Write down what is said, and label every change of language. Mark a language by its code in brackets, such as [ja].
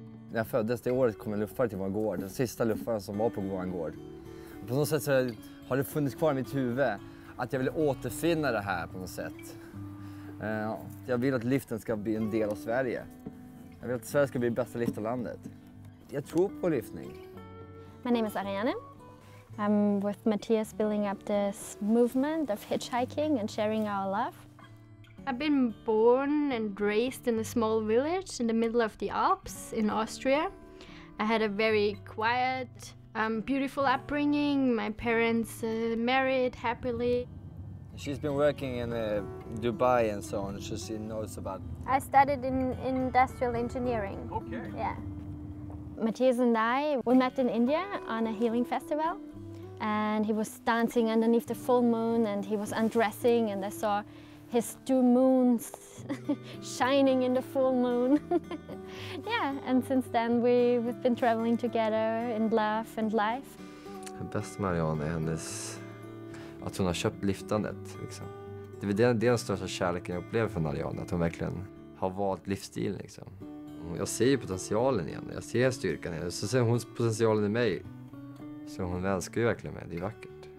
[sv] När jag föddes det året kom en luffare till vår gård. Den sista luffaren som var på vår gård. På något sätt så har det funnits kvar i mitt huvud att jag vill återfinna det här på något sätt. Jag vill att liften ska bli en del av Sverige. Jag vill att Sverige ska bli bästa liftarlandet. Jag tror på liftning. [en] My name is Ariane. I'm with Mathias building up this movement of hitchhiking and sharing our love. I've been born and raised in a small village in the middle of the Alps in Austria. I had a very quiet, beautiful upbringing. My parents married happily. She's been working in Dubai and so on. She knows about... I studied in industrial engineering. Okay. Yeah. Mathias and I, we met in India on a healing festival. And he was dancing underneath the full moon and he was undressing and I saw his two moons shining in the full moon. Yeah, and since then we've been traveling together in love and life. [sv] Det bästa med Ariane är hennes, att hon har köpt liftandet. Liksom. Det är den största kärleken jag upplever från Ariane, att hon verkligen har valt livsstil. Liksom. Jag ser potentialen i henne, jag ser styrkan i henne, så ser hon potentialen i mig. Så hon älskar ju verkligen mig. Det är vackert.